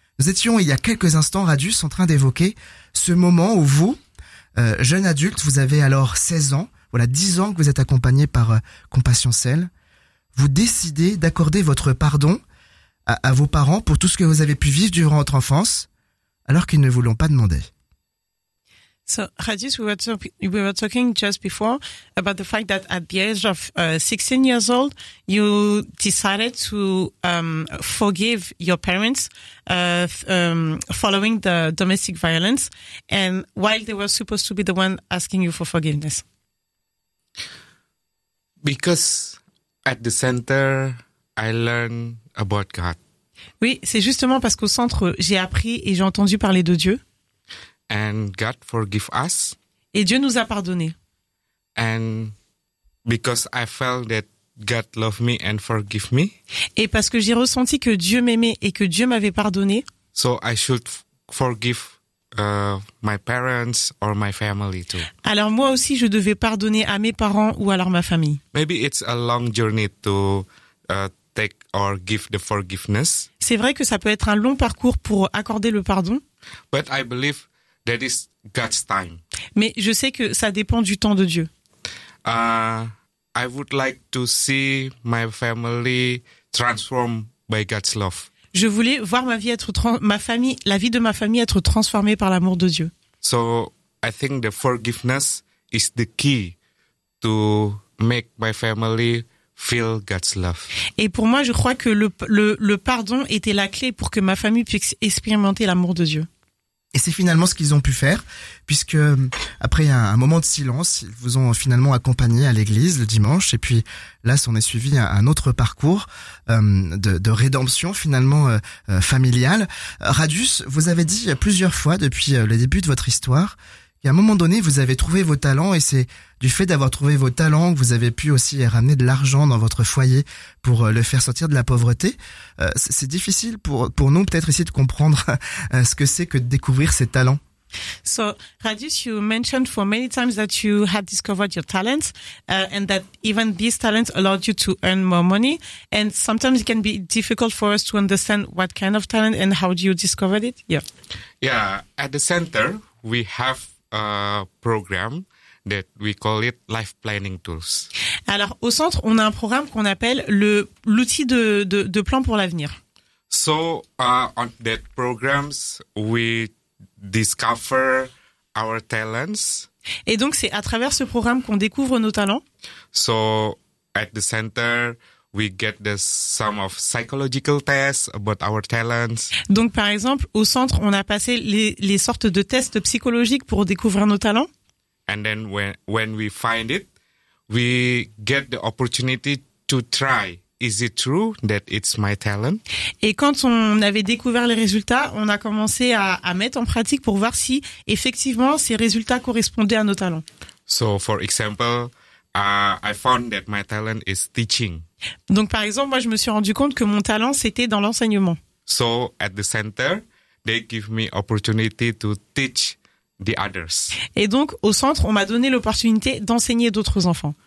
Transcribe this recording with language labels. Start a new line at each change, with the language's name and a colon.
French: Nous étions, il y a quelques instants, Radius, en train d'évoquer ce moment où vous, jeune adulte, vous avez alors 16 ans, voilà 10 ans que vous êtes accompagné par compassion celle, vous décidez d'accorder votre pardon à vos parents pour tout ce que vous avez pu vivre durant votre enfance, alors qu'ils ne vous l'ont pas demandé.
English: So, Radius, we were talking just before about the fact that at the age of 16 years old, you decided to forgive your parents following the domestic violence, and while they were supposed to be the one asking you for forgiveness. Because at the center, I learned about God.
French: Oui, c'est justement parce qu'au centre, j'ai appris et j'ai entendu parler de Dieu.
English: And God forgive us.
French: Et Dieu nous a pardonné.
English: And because I felt that God loved me and forgive me.
French: Et parce que j'ai ressenti que Dieu m'aimait et que Dieu m'avait pardonné.
English: So I should forgive my parents or my family too.
French: Alors moi aussi, je devais pardonner à mes parents ou alors ma famille.
English: Maybe it's a long journey to take or give the forgiveness.
French: C'est vrai que ça peut être un long parcours pour accorder le pardon.
English: But I believe that is God's time.
French: Mais je sais que ça dépend du temps de Dieu.
English: I would like to see my family transformed by God's love.
French: Je voulais voir la vie de ma famille être transformée par l'amour de Dieu.
English: So I think the forgiveness is the key to make my family feel God's love.
French: Et pour moi, je crois que le pardon était la clé pour que ma famille puisse expérimenter l'amour de Dieu. Et c'est finalement ce qu'ils ont pu faire, puisque après un moment de silence, ils vous ont finalement accompagné à l'église le dimanche. Et puis là, s'en est suivi un autre parcours de rédemption finalement familiale. Radius, vous avez dit plusieurs fois depuis le début de votre histoire, et à un moment donné, vous avez trouvé vos talents, et c'est du fait d'avoir trouvé vos talents que vous avez pu aussi ramener de l'argent dans votre foyer pour le faire sortir de la pauvreté. C'est difficile pour nous peut-être ici de comprendre ce que c'est que de découvrir ces talents.
English: So, Radius, you mentioned for many times that you had discovered your talents and that even these talents allowed you to earn more money. And sometimes it can be difficult for us to understand what kind of talent and how you discovered it. Yeah. Yeah, at the center, we have program that we call it life planning tools.
French: Alors au centre, on a un programme qu'on appelle l'outil de plan pour l'avenir.
English: So on that programs we discover our talents.
French: Et donc c'est à travers ce programme qu'on découvre nos talents.
English: So at the center we get the some of psychological tests about our talents.
French: Donc par exemple au centre on a passé les sortes de tests psychologiques pour découvrir nos talents.
English: And then when we find it, we get the opportunity to try. Is it true that it's my talent?
French: Et quand on avait découvert les résultats, on a commencé à mettre en pratique pour voir si effectivement ces résultats correspondaient à nos talents.
English: So for example, I found that my talent is teaching.
French: Donc par exemple, moi je me suis rendu compte que mon talent c'était dans l'enseignement.
English: So at the center, they give me opportunity to teach the others.
French: Et donc au centre, on m'a donné l'opportunité d'enseigner d'autres enfants.